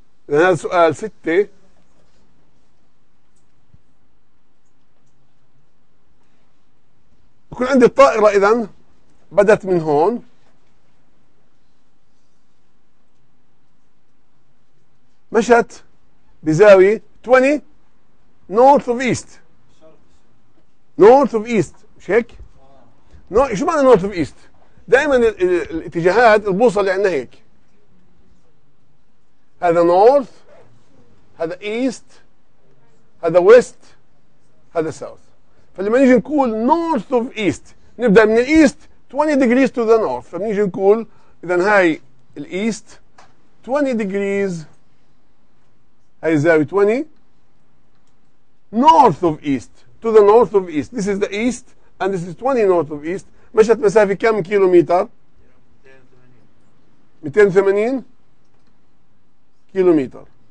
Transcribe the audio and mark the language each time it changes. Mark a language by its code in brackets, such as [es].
[ar] هذا سؤال 6. بكون عندي الطائرة إذا بدأت من هون. مشت بزاوية 20 [en] north of east. north of east [ar] مش هيك؟ شو معنى north of east؟ دائما الاتجاهات البوصله اللي عندنا هيك، هذا north، هذا east، هذا west، هذا south. فلما نيجي نقول [en] north of east [ar] نبدا من الايست [en] 20 degrees to the north، [ar] فبنيجي نقول اذا هاي الايست [en] 20 degrees، [ar] هاي الزاويه [en] 20 north of east to the north of east. This is the east and this is 20 north of east. [ar] مشت مسافة كم كيلومتر؟ 280 كيلومتر.